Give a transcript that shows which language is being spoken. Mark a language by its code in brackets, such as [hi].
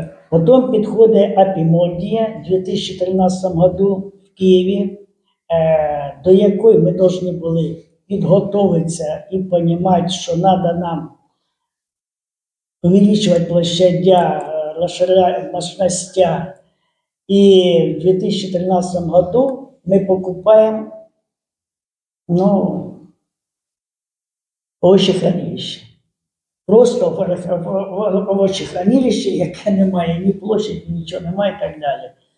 [uk] Потім підходить Апімондія в 2013 году в Києві, до якої ми повинні були підготовитися і розуміти, що треба нам [ru] увеличивать площадя, расширять мощности. И в 2013 году мы покупаем овощехранилище. [uk] Просто овощехранилище, яке не має ні площади, нічого не має, і так далі.